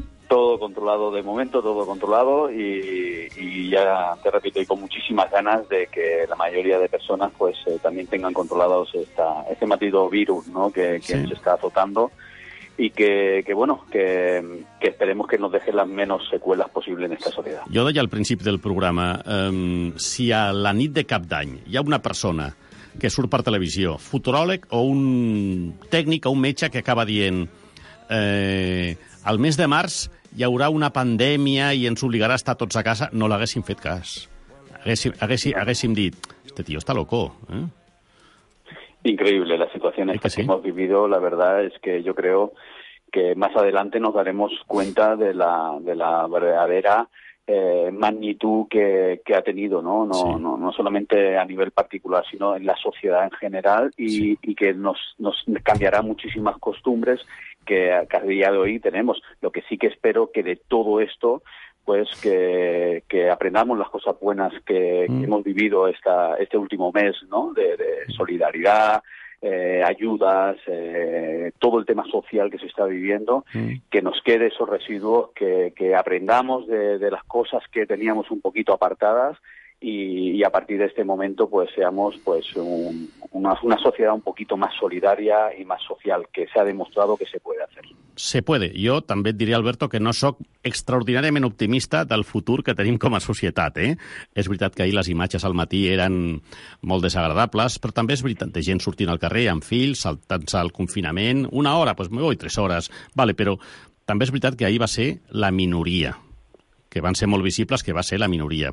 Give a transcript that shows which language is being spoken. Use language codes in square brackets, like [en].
[es] todo controlado de momento, todo controlado, y ya te repito, y con muchísimas ganas de que la mayoría de personas pues también tengan controlados este maldito virus, ¿no? que sí. Se está azotando, y que esperemos que nos deje las menos secuelas posibles en esta sociedad. [ca] Jo deia al principi del programa, si a la nit de Cap d'Any hi ha una persona que surt per televisió, futuròleg o un tècnic o un metge que acaba dient el mes de març hi haurà una pandèmia i ens obligarà a estar tots a casa, no l'haguéssim fet cas. Haguéssim dit, [es] este tío está loco. Increíble la situación esta que hemos vivido. La verdad es que yo creo que más adelante nos daremos cuenta de la verdadera magnitud que ha tenido, ¿no? No solamente a nivel particular, sino en la sociedad en general, y que nos cambiará muchísimas costumbres que a día de hoy tenemos. Lo que sí que espero que de todo esto, pues que aprendamos las cosas buenas que hemos vivido este último mes, ¿no? De solidaridad, ayudas, todo el tema social que se está viviendo, que nos quede esos residuos, que aprendamos de las cosas que teníamos un poquito apartadas, y a partir de este momento pues seamos pues una sociedad un poquito más solidaria y más social, que se ha demostrado que se puede hacer. Se puede. [ca] Jo també et diria, Alberto, que no sóc extraordinàriament optimista del futur que tenim com a societat, És veritat que ahir les imatges al matí eren molt desagradables, però també és veritat, de gent sortint al carrer amb fills, saltant-se al confinament, una hora, doncs m'ho vull, tres hores, vale, però també és veritat que ahir va ser la minoria, que van ser molt visibles, que va ser la minoria.